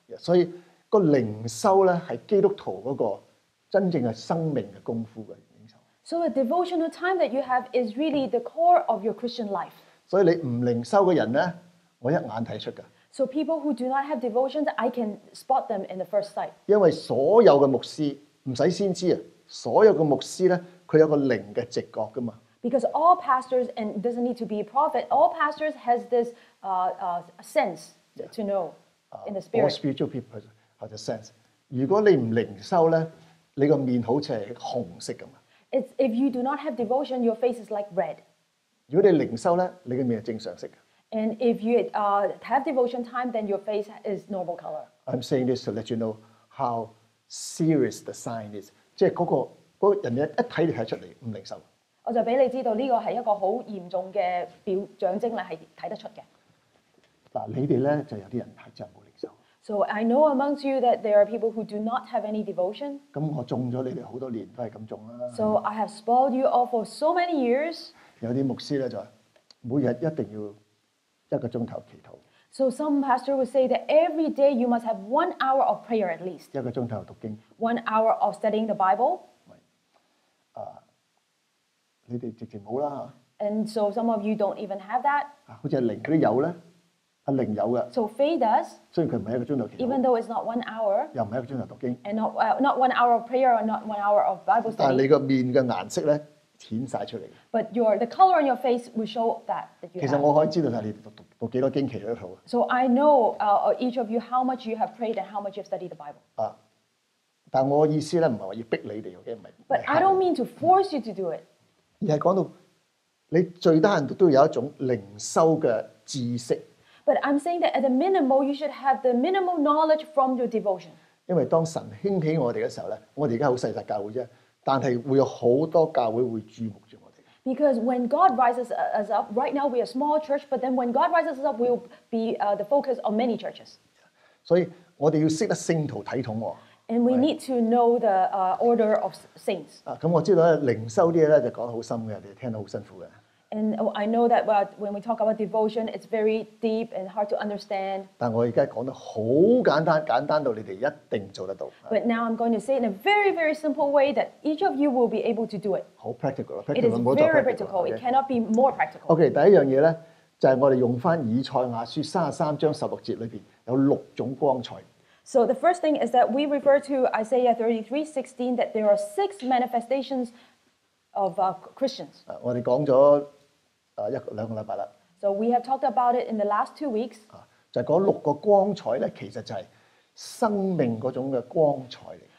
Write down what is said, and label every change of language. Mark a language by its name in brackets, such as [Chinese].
[Cantonese] 所以個靈修咧係基督徒嗰個真正嘅生命嘅功夫嘅靈修。 [English] So a devotional time that you have is really the core of your Christian life. [Cantonese] 所以你唔靈修嘅人咧，我一眼睇出㗎。 [English] So people who do not have devotions, I can spot them in the first sight. [Cantonese] 因為所有嘅牧師唔使先知啊，所有嘅牧師咧，佢有個靈嘅直覺噶嘛。 [English] Because all pastors and doesn't need to be a prophet, all pastors has this sense to know in the spirit. All spiritual people have the sense. [Cantonese] 如果你唔靈修咧，你個面好似係紅色噶嘛。 [English] It's if you do not have devotion, your face is like red. [Cantonese] 如果你靈修咧，你嘅面係正常色。 [English] And if you have devotion time, then your face is normal color. I'm saying this to let you know how serious the sign is. [Cantonese] 即係嗰個人一睇就睇出嚟唔靈修。我就俾你知道呢個係一個好嚴重嘅表象徵咧，係睇得出嘅。嗱，你哋咧就有啲人係真冇靈修。 [English] So I know amongst you that there are people who do not have any devotion. [Cantonese] 咁我種咗你哋好多年都係咁種啦。 [English] So I have spoiled you all for so many years. [Cantonese] 有啲牧師咧就每日一定要。一個鐘頭祈禱。 [English] So some pastor would say that every day you must have 1 hour of prayer at least. [Cantonese] 一個鐘頭讀經。 [English] 1 hour of studying the Bible. [Cantonese] 你哋直情冇啦。 [English] And so some of you don't even have that. [Cantonese] 好似阿靈嗰啲有咧，阿靈有嘅。 [English] So Faye does. [Cantonese] 雖然佢唔係一個鐘頭祈禱。 [English] Even though it's not 1 hour. [Cantonese] 又唔係一個鐘頭讀經。 [English] And not 1 hour of prayer or not 1 hour of Bible study. [Cantonese] 但係你個面嘅顏色咧？顯曬出嚟。 [English] But the color on your face will show that you. [Cantonese] 其實我可以知道曬你讀幾多經期都好。 [English] So I know each of you how much you have prayed and how much you've studied the Bible. [Cantonese] 但我意思咧唔係話要逼你哋，唔係。 [English] But I don't mean to force you to do it. [Cantonese] 而係講到你最低限度都要有一種靈修嘅知識。 [English] But I'm saying that at the minimum you should have the minimal knowledge from your devotion. [Cantonese] 因為當神興起我哋嘅時候咧，我哋而家好細細教會啫。但係會有好多教會會注目住我哋。 [English] Because when God rises us up, right now we are a small church, but then when God rises us up, we'll be the focus of many churches. [Cantonese] 所以我哋要識得聖徒體統喎。 [English] And we need to know the order of saints. [Cantonese] 咁我知道靈修啲咧就講好深嘅，你聽到好辛苦嘅。 [English] And I know that when we talk about devotion, it's very deep and hard to understand. [Cantonese] 但我而家講得好簡單，簡單到你哋一定做得到。 [English] But now I'm going to say in a very, very simple way that each of you will be able to do it. [Cantonese] 好 practical, [English] practical. It is very practical. It cannot be more practical. [Cantonese] Okay, 第一樣嘢咧，就係我哋用翻以賽亞書33:16裏邊有六種光彩。 [English] So the first thing is that we refer to Isaiah 33:16 that there are six manifestations of Christians. [Cantonese] 我哋講咗。兩個禮拜啦。 [English] So we have talked about it in the last 2 weeks. [Cantonese] 就嗰六個光彩咧，其實就係生命嗰種嘅光彩嚟。